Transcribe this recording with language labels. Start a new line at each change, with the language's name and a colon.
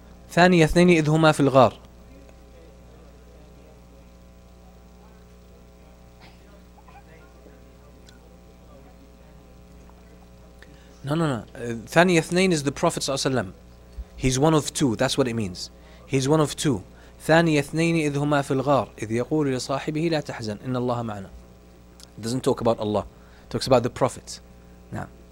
Arabic: ثانية اثنين إذ هما في الغار No. ثانية اثنين
English: is the Prophet ﷺ. He's one of two. That's what it means. He's one of two.
Arabic: ثانية اثنين إذ هما في الغار إذ يقول لصاحبه لا تحزن إن الله معنا.
English: It doesn't talk about Allah. It talks about the Prophet.
Arabic: نعم.